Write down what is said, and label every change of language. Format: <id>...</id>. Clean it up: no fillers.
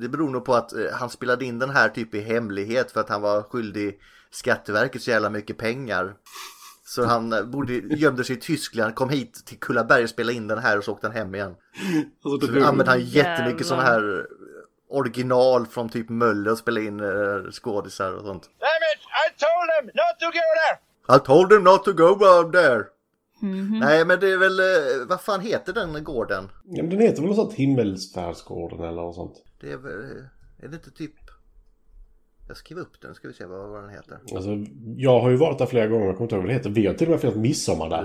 <sv>Det beror nog på att han spelade in den här typ i hemlighet för att han var skyldig... Skatteverket så jävla mycket pengar. Så han gömde sig i Tyskland, kom hit till Kullaberg och spelade in den här och så åkte han hem igen. Så använde han jättemycket sådana här original från typ Möller och spelade in skådisar och sånt.</sv> <en>Damn it, I told him not to go there. I told him not to go there.</en> <sv>Nej, men det är väl, vad fan heter den gården? Ja, men den heter väl något sånt Himmelsfärdsgården eller något sånt. Det är väl, är det inte typ... Jag skriver upp den, ska vi se vad den heter. Alltså, jag har ju varit där flera gånger, jag kommer inte ihåg vad det heter. Vi har till och med firat midsommar där.</sv>